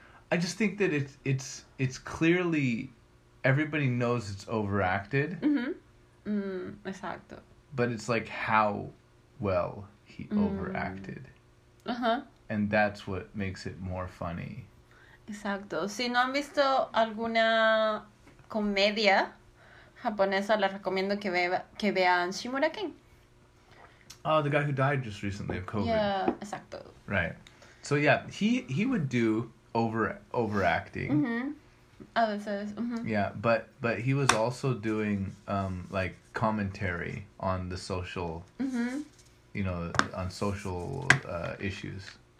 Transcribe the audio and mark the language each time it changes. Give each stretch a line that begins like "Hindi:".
English: I just think that it's clearly, everybody knows it's overacted.
Spanish: Exacto.
English: But it's like how well he overacted. And that's what makes it more funny.
Spanish: Exacto. Si no han visto alguna comedia... japonesa, les recomiendo que vean Shimura Ken.
English: Oh, the guy who died just recently of COVID.
Spanish: Yeah, exacto.
English: Right. So yeah, he would do overacting.
Spanish: A veces.
English: Yeah, but he was also doing like commentary on the social you know, on social issues.